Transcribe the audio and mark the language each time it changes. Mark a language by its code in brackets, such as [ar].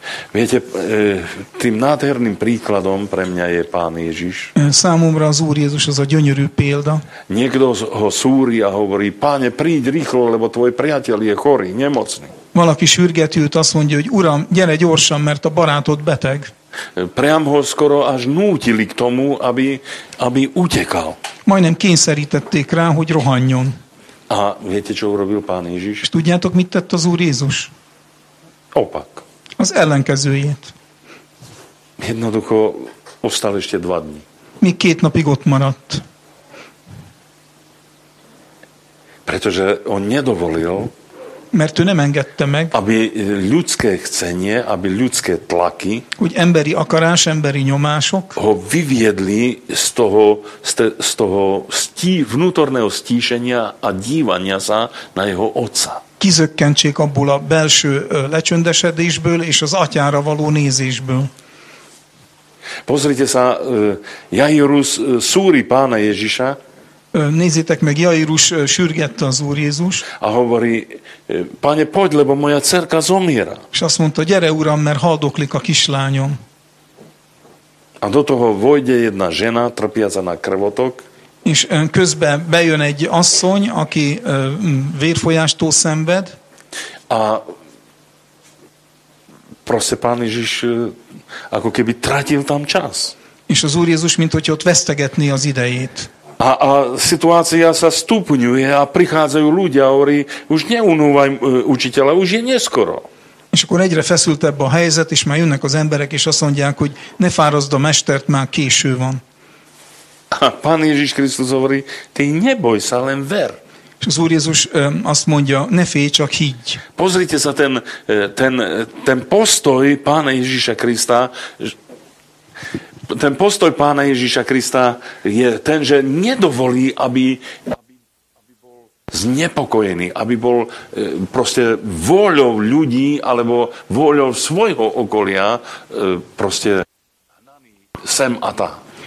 [sk] Viete, tým nádherným príkladom pre mňa je Pán Ježiš. [hu] Számomra az Úr Jézus az a gyönyörű példa. [sk] Niekto ho súri a hovorí, Páne, príď rýchlo, lebo tvoj priateľ je chorý, nemocný. [hu] Valaki sürgeti őt, azt mondja, hogy Uram, gyere gyorsan, mert a barátod beteg. [sk] Priam ho skoro až nútili k tomu, aby utekal. [hu] Majdnem kényszerítették rá, hogy rohanjon. [sk] A viete, čo urobil Pán Ježiš? [hu] És tudjátok, mit tett az Úr Jézus? [sk] Opak. [hu] Az ellenkezőjét. [sk] Jednoducho ostal ešte dva dni. [hu] Még két napig ott maradt. [sk] Pretože on nedovolil, [hu] mert ő nem engedte meg, [sk] aby ľudské chcenie, aby ľudské tlaky, [hu] hogy emberi akarás, emberi nyomások, [sk] ho vyviedli z toho vnútorného stíšenia a dívania sa na jeho otca. [hu] Kizökkentsék abból a belső lecsöndesedésből és az atyára való nézésből. [sk] Pozrite sa, Jairus súri Pána Ježiša, [hu] Nézzétek meg, Jairus sürgette az Úr Jézus. [sk] A hovorí, Pane, poď, lebo moja cerka zomiera. [hu] És azt mondta, gyere, Uram, mert haldoklik a kislányom. [sk] A do toho vojde jedna žena, trpiaca na krvotok. [hu] És közben bejön egy asszony, aki vérfolyástól szenved. [sk] A prosze Pán Ježiš, ako keby tratil tam čas. [hu] És az Úr Jézus, mint hogyha ott vesztegetné az idejét. [sk] A situácia sa stupňuje a prichádzajú ľudia a hovorí, už neunúvaj učiteľa, už je neskoro. [hu] És akkor egyre feszültebb a helyzet, és már jönnek az emberek, és azt mondják, hogy ne fárazd a mestert, már késő van. [sk] A Pán Ježiš Krisztus hovorí, ty neboj sa, len ver. [hu] És az Úr Jézus azt mondja, ne félj, csak higgy. [sk] Pozrite sa ten postoj Pána Ježiša Krista, ten postoj Pána Ježiša Krista je ten, že nedovolí, aby bol znepokojený, aby bol proste vôľou ľudí alebo vôľou svojho okolia proste sem a tá.